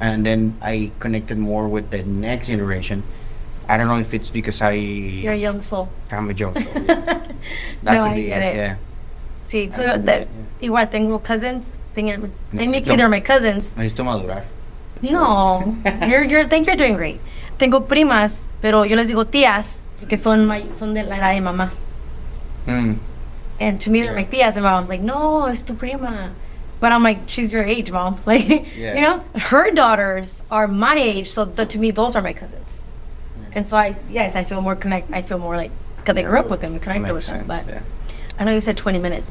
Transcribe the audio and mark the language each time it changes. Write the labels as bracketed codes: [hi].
[en] And then I connected more with the next generation. I don't know if it's because you're a young soul. I'm a young soul. I get it. Yeah. See, so [es] igual tengo [en] cousins. They're my cousins. [es] Necesito madurar. [en] No, you're. Think you're doing great. [es] Tengo primas, pero yo les digo tías, que son de la edad de mamá. [en] And to me, they're my tías, and my mom's like, [es] no, es tu prima. [en] But I'm like, she's your age, mom. Like, you know, her daughters are my age, so to me, those are my cousins. Yeah. And so I feel more connect. I feel more like, because I grew up with them, connected with them. But I know you said 20 minutes.